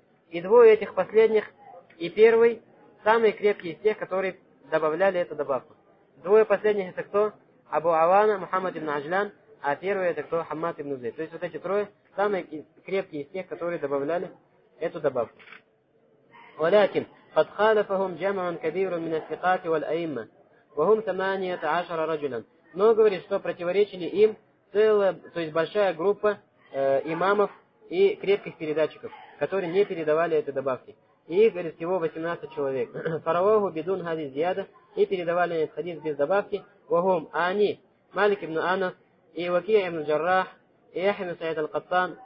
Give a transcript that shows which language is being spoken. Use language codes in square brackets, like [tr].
[ru] И двое этих последних, и первый, самые крепкие из тех, которые добавляли эту добавку. Двое последних это кто? Абу Авана, Мухаммад ибн Аджлян, а первый это кто? Хаммад ибн Зайд. То есть вот эти трое самые крепкие из тех, которые добавляли эту добавку. [ar] ولكن قد خالفهم جمع كبير من الثقات والأئمة وهم 18 رجلا. [ru] Но говорит, что противоречили им целая, то есть большая группа имамов и крепких передатчиков, которые не передавали этой добавки. И их, говорит, всего 18 человек. [ar] Фараваху бидун хадис зиада. [ru] И передавали этот хадис без добавки. Вахум, а они, Малик ибн Анас, и Вакия ибн Джаррах, и Яхья ибн Саид аль-Каттан.